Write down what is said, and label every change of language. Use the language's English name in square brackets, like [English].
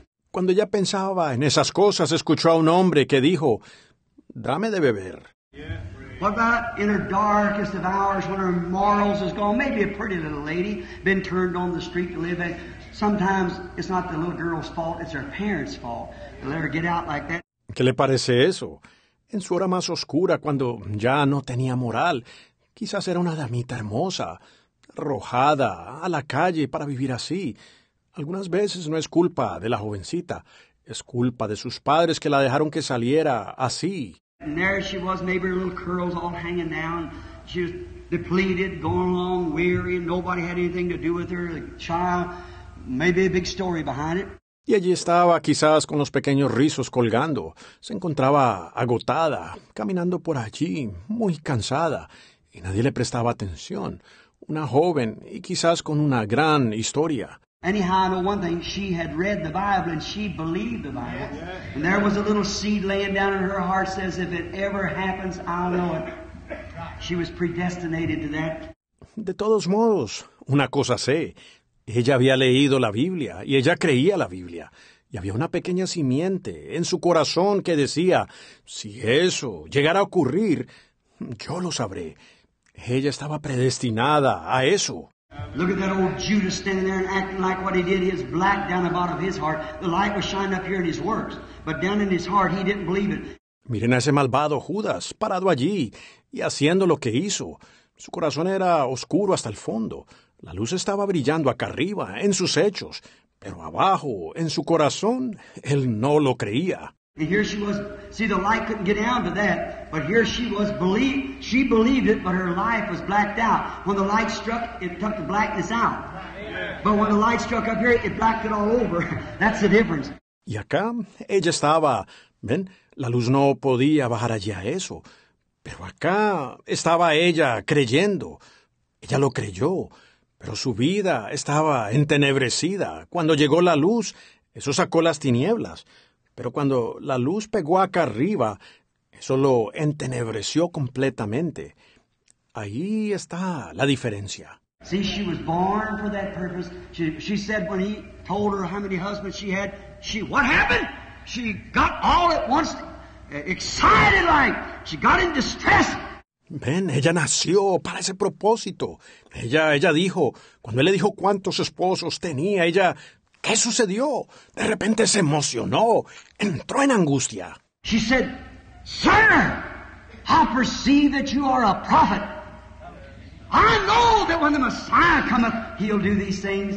[Spanish] Cuando ella pensaba en esas cosas, escuchó a un hombre que dijo, dame de beber. [English] What about in her darkest of hours when her morals is gone? Maybe a pretty little lady been turned on the street to live in. Sometimes it's not the little girl's fault, it's her parents' fault. They let her get out like that. [Spanish] ¿Qué le parece eso? En su hora más oscura, cuando ya no tenía moral, quizás era una damita hermosa, arrojada a la calle para vivir así. Algunas veces no es culpa de la jovencita, es culpa de sus padres que la dejaron que saliera así. [English] And there she was, maybe her little curls all hanging down. She was depleted, going along, weary, and nobody had anything to do with her. The child, maybe a big story behind it. [Spanish] Y allí estaba, quizás con los pequeños rizos colgando. Se encontraba agotada, caminando por allí, muy cansada, y nadie le prestaba atención. Una joven, y quizás con una gran historia. [English] Anyhow, I know one thing. She had read the Bible, and she believed the Bible. Yeah, yeah. And there was a little seed laying down in her heart, says, if it ever happens, I'll know it. She was predestinated to that. [Spanish] De todos modos, una cosa sé. Ella había leído la Biblia, y ella creía la Biblia. Y había una pequeña simiente en su corazón que decía, si eso llegara a ocurrir, yo lo sabré. Ella estaba predestinada a eso. [English] Look at that old Judas standing there and acting like what he did. He's black down the bottom of his heart. The light was shining up here in his works. But down in his heart, he didn't believe it. [Spanish] Miren a ese malvado Judas, parado allí y haciendo lo que hizo. Su corazón era oscuro hasta el fondo. La luz estaba brillando acá arriba, en sus hechos. Pero abajo, en su corazón, él no lo creía. [English] And here she was. See, the light couldn't get down to that. But here she was. She believed it, but her life was blacked out. When the light struck, it took the blackness out. But when the light struck up here, it blacked it all over. That's the difference. [Spanish] Y acá, ella estaba. ¿Ven? La luz no podía bajar allí a eso. Pero acá estaba ella creyendo. Ella lo creyó. Pero su vida estaba entenebrecida. Cuando llegó la luz, eso sacó las tinieblas. Pero cuando la luz pegó acá arriba, eso lo entenebreció completamente. Ahí está la diferencia. [English] See, she was born for that purpose. She said when he told her how many husbands she had, what happened? She got all at once excited like. She got in distress. [Spanish] Ven, ella nació para ese propósito. Ella dijo, cuando él le dijo cuántos esposos tenía, ella, ¿qué sucedió? De repente se emocionó, entró en angustia. [English] She said, "Sir, I perceive that you are a prophet. I know that when the Messiah cometh, he'll do these things."